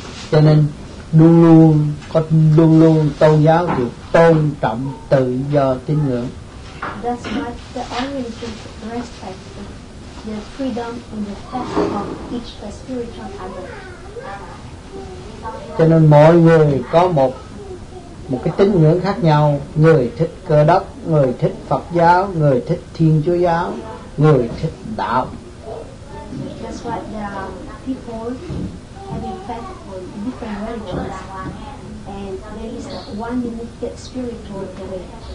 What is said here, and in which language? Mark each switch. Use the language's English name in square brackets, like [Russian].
[Vietnamese] Cho nên luôn luôn tôn giáo được tôn trọng tự do tín ngưỡng. [English] That's what the origins respect, the freedom and the faith of each spiritual other. [Vietnamese] Cho nên mọi người có một cái tín ngưỡng khác nhau, người thích Cơ Đốc, người thích Phật giáo, người thích Thiên Chúa giáo, người thích đạo. [English] That's why there are people having faith in different religions, and there is one unique spiritual belief.